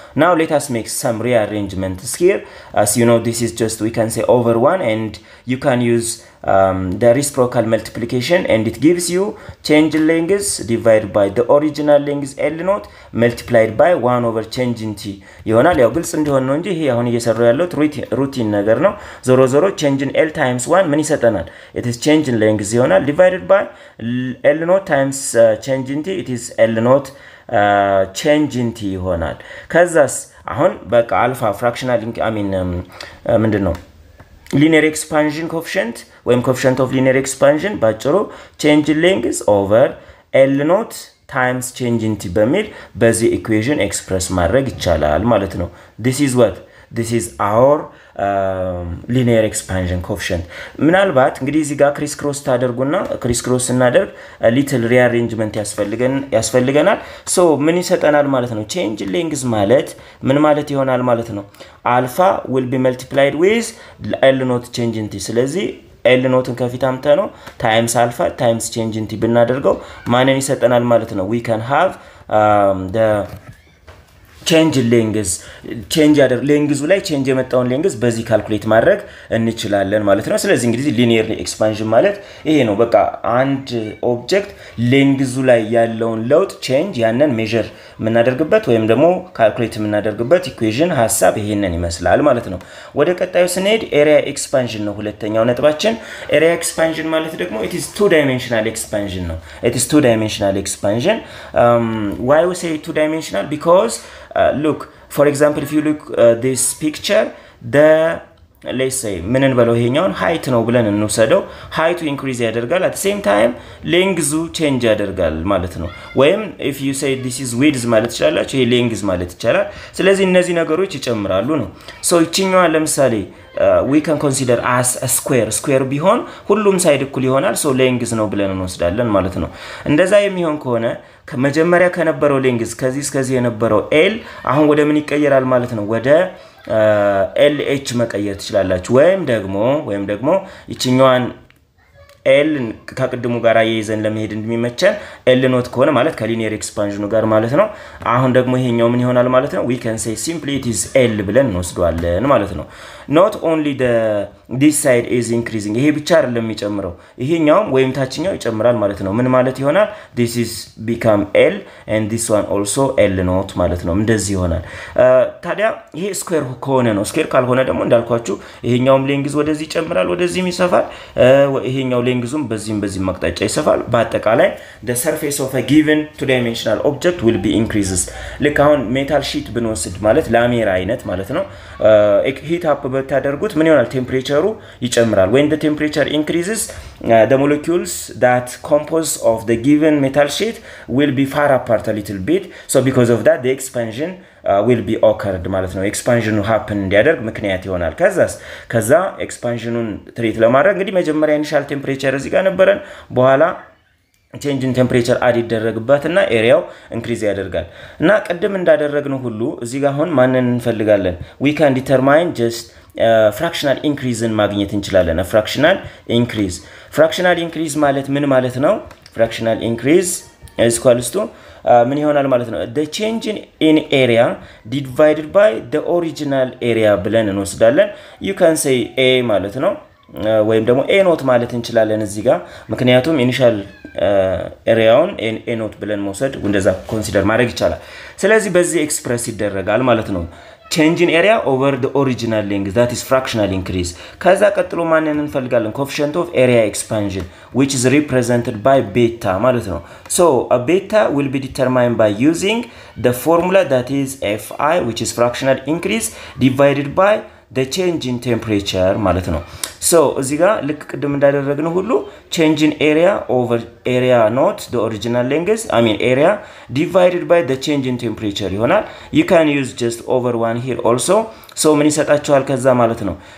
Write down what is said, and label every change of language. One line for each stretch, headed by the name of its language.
English: Now let us make some rearrangements here. As you know, this is just we can say over 1 and you can use the reciprocal multiplication, and it gives you change length divided by the original length L naught multiplied by 1 over change in T.
Amharic: ይሆናል. ያው ግልጽ እንደሆነ እንጂ ይሄ አሁን እየሰራው ያለው ሩቲን ነገር ነው. ዞሮ ዞሮ
English: change in L times 1
Amharic: ምን ይሰጠናል?
English: It is change in length ይሆናል divided by L naught times change in T. It is L naught change in T ይሆናል.
Amharic: ከዛስ አሁን በቃ አልፋ fractional ምንድነው?
English: Linear expansion coefficient, when coefficient of linear expansion, ባጭሩ change in length over L naught times change in T
Amharic: በሚል በዚህ
English: equation express
Amharic: ማድረግ ይቻላል ማለት ነው.
English: This is what? This is our linear expansion coefficient.
Amharic: ምናልባት እንግዲህ እዚህ ጋር
English: criss cross
Amharic: ታደርጉና criss cross እናደርግ a little rearrangement ያስፈልገናል. So ምን ይሰጠናል ማለት ነው?
English: Change in length
Amharic: ማለት ምን ማለት ይሆናል ማለት ነው?
English: Alpha will be multiplied with L naught change in T.
Amharic: ስለዚህ L naught-ን ከፊት አምጥተነው
English: times alpha times change in T
Amharic: ብናደርገው ማንን ይሰጠናል ማለት ነው?
English: We can have the change length change other length ላይ change
Amharic: የመጣውን
English: length
Amharic: በዚ ካልኩሌት ማድረግ እንችላለን ማለት ነው. ስለዚህ እንግዲህ
English: linear expansion
Amharic: ማለት ይሄ ነው. በቃ አንድ object length ላይ ያለውን ለውጥ change ያንን measure ምናደርግበት ወይም ደግሞ calculate ምናደርግበት equation ሐሳብ ይሄንን ይመስላል ማለት ነው. ወደ ቀጣዩ ስንሄድ area expansion ነው ሁለተኛው ነጥባችን.
English: area expansion
Amharic: ማለት ደግሞ
English: it is two dimensional expansion ነው. it is two dimensional expansion. Why we say two dimensional? Because look, for example, if you look this picture, the let's say
Amharic: ምን እንበለው ይሄኛውን
English: height
Amharic: ነው ብለን እንወሰደው.
English: height increase ያደርጋል, at the same time length change ያደርጋል ማለት ነው. ወይም if you say this is width ማለት ይችላል, ይሄ length ማለት ይችላል.
Amharic: ስለዚህ እነዚህ ነገሮች ይጨምራሉ ነው. so ይቺኛው ለምሳሌ
English: we can consider as a square.
Amharic: square ቢሆን ሁሉም side እኩል ይሆናል. so length ነው ብለን እንወስዳለን ማለት ነው. እንደዛ የሚሆን ከሆነ ከመጀመሪያ ከነበረው length ከዚህ እስከዚህ የነበረው l አሁን ወደ ምን ይቀየራል ማለት ነው? ወደ LH መቀየር ትችላላችሁ. ወይም ደግሞ ይቺኛዋን L ከቅድሙ ጋር አይይዘን ለመሄድ እንደሚመቸን L ኖት ከሆነ ማለት ከሊኒየር ኤክስፓንዥኑ ጋር ማለት ነው. አሁን ደግሞ ይሄኛው ምን ይሆናል ማለት ነው?
English: We can say simply it is L
Amharic: ብለን እንወስዳለን ማለት ነው.
English: Not only this side is increasing,
Amharic: ይሄ ብቻ አይደለም የሚጨምረው, ይሄኛውም ወይም ታችኛው ይጨምራል ማለት ነው. ምን ማለት ይሆናል?
English: This is become L and this one also L ኖት ማለት ነው.
Amharic: እንደዚህ ይሆናል. ታዲያ ይሄ ስኩዌር ከሆነ ነው, ስኩዌር ካልሆነ ደግሞ እንዳልኳችሁ ይሄኛውም ሌንግዝ ወደዚህ ይጨምራል ወደዚህም ይሰፋል, ይሄኛው ሌንግዙም በዚህ መቅጣጫ ይሰፋል.
English: በአጠቃላይ the surface of a given two dimensional object will be increases.
Amharic: ልክ አሁን ሜታል ሺት ብንወስድ ማለት ላሜራ አይነት ማለት ነው, ሂት አፕ በታደርጉት ምን ይሆናል? ቴምፕሬቸሩ ይጨምራል.
English: when the temperature increases the molecules that compose of the given metal sheet will be far apart a little bit, so because of that the expansion will be occurred
Amharic: ማለት ነው. expansion happen እንዲያደርግ ምክንያት ይሆናል. ከዛ expansionን ትሬት ለማድረግ እንግዲህ መጀመሪያ initial temperature እዚህ ጋር ነበረን, በኋላ change in temperature add ይደረግበትና
English: area increase
Amharic: ያደርጋል. እና ቀደም እንዳደረግነው ሁሉ እዚህ ጋር አሁን ማንን እንፈልጋለን?
English: we can determine just fractional increase in
Amharic: ማግኘት እንችላለን.
English: fractional increase.
Amharic: fractional increase ማለት ምን ማለት ነው?
English: fractional increase is equals to
Amharic: ምን ይሆናል ማለት ነው?
English: the change in area divided by the original area
Amharic: ብለን እንወስዳለን. you can say a ማለት ነው, ወይም ደግሞ a ኖት ማለት እንችላለን እዚህ ጋር, ምክንያቱም initial ኤሪያውን a ኖት ብለን መውሰድ እንደዛ ኮንሲደር ማድረግ ይቻላል. ስለዚህ በዚህ ኤክስፕረስ ይደረጋል ማለት ነው.
English: change in area over the original length, that is fractional increase.
Amharic: ከዛ ቀጥሎ ማንን እንፈልጋለን?
English: Coefficient of area expansion, which is represented by beta ማለት ነው. So a beta will be determined by using the formula, that is fi, which is fractional increase, divided by the change in temperature ማለት ነው. So እዚህ ጋር
Amharic: ልክ ቅድም እንዳደረግነው ሁሉ
English: change in area over area not the original length, I mean area, divided by the change in temperature ይሆናል. You can use just over 1 here also.
Amharic: So ምን ይሰጣቸዋል ከዛ ማለት ነው?